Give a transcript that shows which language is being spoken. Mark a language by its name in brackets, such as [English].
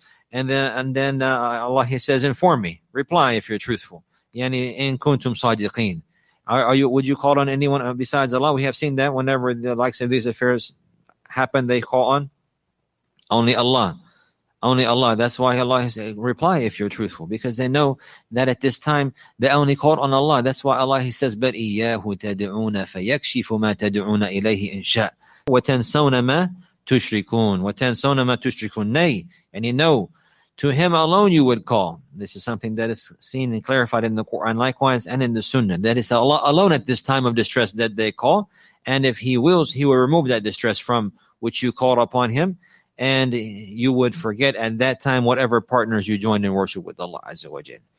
[English] And then Allah, he says, inform me, reply if you're truthful. [Arabic] Yani in kuntum sadiqeen. [English] Would you call on anyone besides Allah? We have seen that whenever the likes of these affairs happen, they call on only Allah. Only Allah. That's why Allah has a reply if you're truthful, because they know that at this time they only called on Allah. That's why Allah, he says, [Arabic] بَلْ إِيَّاهُ تَدْعُونَ فَيَكْشِفُ مَا تَدْعُونَ إِلَيْهِ إِنْ شَاءَ وَتَنْسَوْنَ مَا تُشْرِكُونَ وَتَنْسَوْنَ مَا تُشْرِكُونَ نَيْ. [English] And you know, to him alone you would call. This is something that is seen and clarified in the Quran likewise and in the Sunnah. That is Allah alone at this time of distress that they call. And if he wills, he will remove that distress from which you called upon him. And you would forget at that time whatever partners you joined in worship with Allah Azza wa Jal.